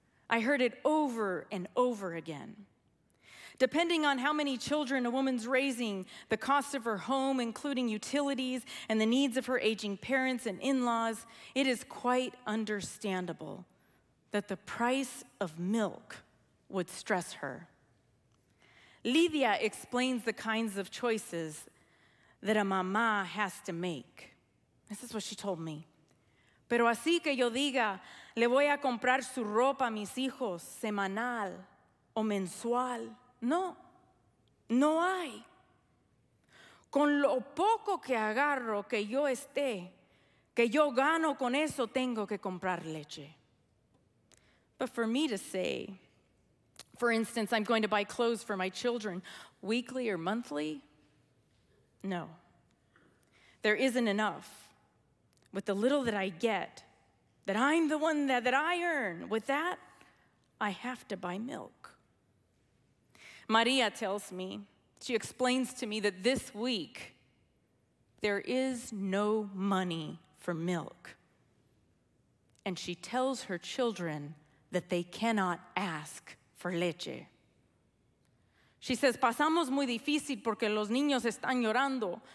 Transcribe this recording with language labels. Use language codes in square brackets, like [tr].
[en] I heard it over and over again. Depending on how many children a woman's raising, the cost of her home, including utilities, and the needs of her aging parents and in-laws, it is quite understandable that the price of milk would stress her. Lydia explains the kinds of choices that a mamá has to make. This is what she told me. [es] Pero así que yo diga, le voy a comprar su ropa a mis hijos semanal o mensual. No, no hay. con lo poco que agarro que yo esté, que yo gano con eso, tengo que comprar leche. [en] But for me to say, for instance, I'm going to buy clothes for my children weekly or monthly, no. There isn't enough with the little that I get, that I'm the one that I earn. With that, I have to buy milk. Maria tells me, she explains to me that this week, there is no money for milk. And she tells her children that they cannot ask for leche. She says, [es] pasamos muy difícil porque los niños están llorando.